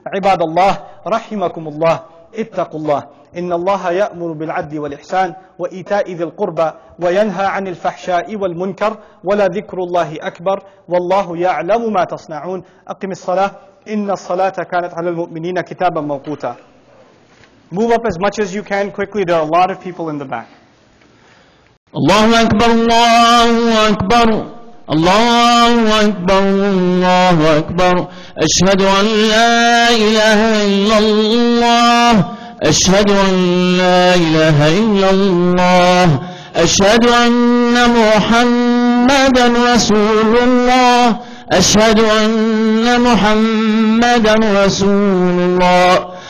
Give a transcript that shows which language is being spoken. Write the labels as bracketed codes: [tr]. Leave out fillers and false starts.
[ar] عباد الله رحمكم الله اتقوا الله إن الله يأمر بالعدل والإحسان وإيتاء ذي القربى وينهى عن الفحشاء والمنكر ولا ذكر الله أكبر والله يعلم ما تصنعون. أقم الصلاة إن الصلاة كانت على المؤمنين كتابا موقوتا. [en] Move up as much as you can quickly. There are a lot of people in the back. [ar] الله أكبر الله أكبر الله أكبر الله أكبر أشهد أن لا إله إلا الله أشهد أن لا إله إلا الله أشهد أن محمدا رسول الله أشهد أن محمدا رسول الله